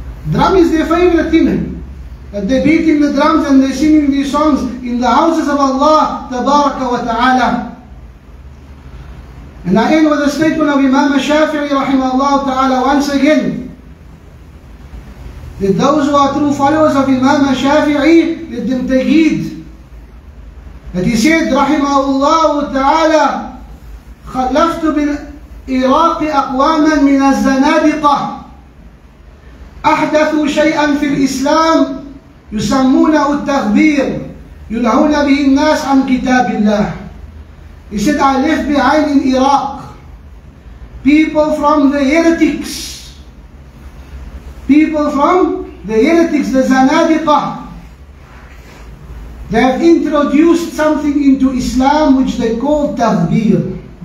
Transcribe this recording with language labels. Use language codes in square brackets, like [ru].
[en] Drum is their favorite thing. That they beat in the drums and they singing these songs in the houses of Allah, tabaraka wa ta'ala. And I end with a statement of Imam Shafi'i rahimahullah ta'ala once again. That those who are true followers of Imam Shafi'i, let them take heed. [ar] That he said, rahimahullah ta'ala, خَلَفْتُ بِالْإِرَاقِ أَقْوَامًا مِنَ الزَّنَادِقَةِ أَحْدَثُوا شَيْئًا فِي الْإِسْلَامِ يُسَمُّونَهُ التَّغْبِيرُ يُلْهُونَ بِهِ النَّاسِ عَنْ كِتَابِ اللَّهِ. [en] He said, I left behind in Iraq people from the heretics. People from the heretics, the Zanadiqa. They have introduced something into Islam which they call Tahbir.